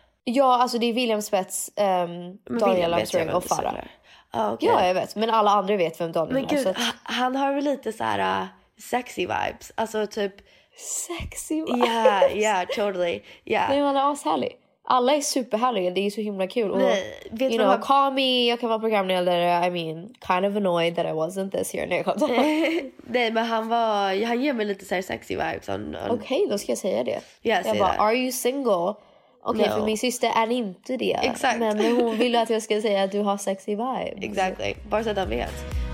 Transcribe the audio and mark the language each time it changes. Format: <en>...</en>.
<sv>Ja, alltså det är William Spets, Daniel Armstrong och Farah. Ah, okay. Ja, jag vet, men alla andra vet vem Daniel är. Men gud, han har väl lite så här sexy vibes. Alltså typ... Sexy vibes?</sv> <en>Ja, yeah, yeah, totally. Yeah.</en> <sv>Nej, man är ashärlig. Alla är superhärliga, det är så himla kul. Nej, och, vet</sv> <en>you know, call me,</en> <sv>jag kan vara programledare.</sv> <en>I mean, kind of annoyed that I wasn't this year</en> <sv>när jag kom. Nej, men han ger mig lite så här sexy vibes. Okej, okay, då ska jag säga det.</sv> <en>Yeah,</en> <sv>jag bara,</sv> <en>are you single?</en> <sv>Okej, okay, no. För min syster är inte det. Exakt. Men hon vill att jag ska säga att du har sexy vibes. Exakt, bara så att han vet.</sv>